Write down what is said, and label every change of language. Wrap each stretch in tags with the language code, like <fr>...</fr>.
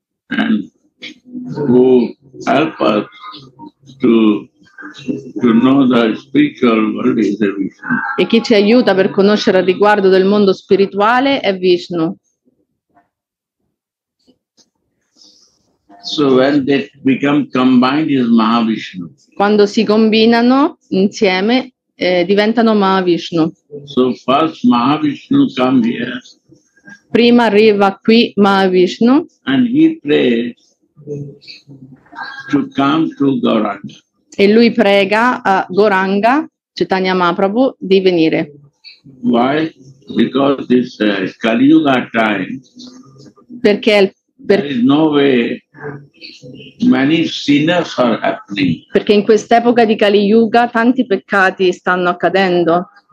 <en>And who help us to know the spiritual world is the Vishnu.</en> <it>E chi ci aiuta per conoscere al riguardo del mondo spirituale è Vishnu.</it> <en>So when they become combined is Mahavishnu.</en> <it>Quando si combinano insieme diventano Mahavishnu.</it> <en>So first Mahavishnu come here.</en> <it>Prima arriva qui Mahavishnu.</it> <en>And he prays to come to Gauranga.</en> <it>E lui prega a Gauranga, Chaitanya Mahaprabhu, di venire.</it> <en>Why? Because this Kali Yuga time.</en> <it>Perché il</it> <en>There is no way many sinners are happening.</en> <it>Perché in quest'epoca di Kali Yuga tanti peccati stanno accadendo.</it>